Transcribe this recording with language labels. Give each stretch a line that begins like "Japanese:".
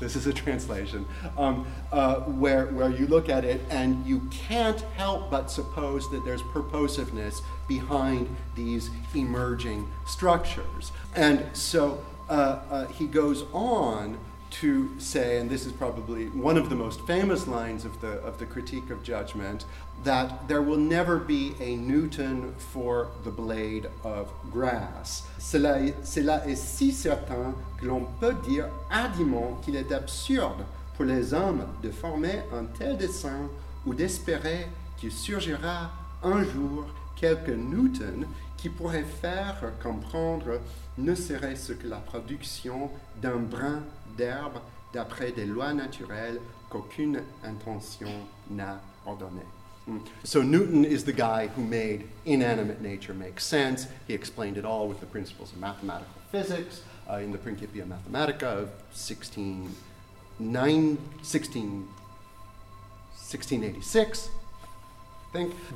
English: This is a translation. Where you look at it and you can't help but suppose that there's purposiveness behind these emerging structures. And so he goes on to say, and this is probably one of the most famous lines of the Critique of Judgment, that there will never be a Newton for the blade of grass.
French: Cela est si certain que l'on peut dire hardiment qu'il est absurde pour les hommes de former un tel dessin ou d'espérer qu'il surgira un jour quelque Newton qui pourrait faire comprendre ne serait-ce que la production d'un brin d'herbe d'après des lois naturelles qu'aucune intention n'a ordonné.
English: So Newton is the guy who made inanimate nature make sense. He explained it all with the principles of mathematical physics in the Principia Mathematica of 1686, I think.